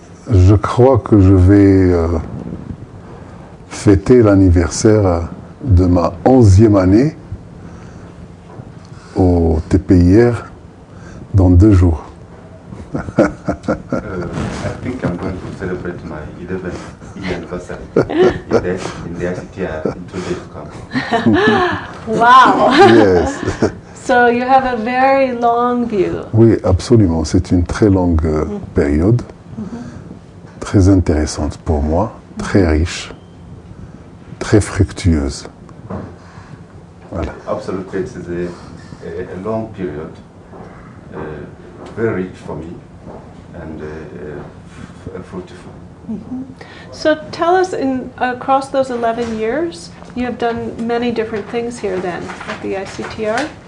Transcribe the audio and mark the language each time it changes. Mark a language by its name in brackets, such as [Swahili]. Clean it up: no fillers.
[French] Je crois que je vais fêter l'anniversaire de ma 11e année au TPIR dans 2 jours. [English] I think I'm going to celebrate my 11th anniversary in the ICTR in 2 days to come. Wow! Yes. So you have a very long view. [French] Oui, absolument. C'est une très longue période, très intéressante pour moi, très riche, très fructueuse. Voilà. [English] Absolutely, it's a long period, very rich for me. And fruitful. So tell us, across those 11 years, you have done many different things here then at the ICTR.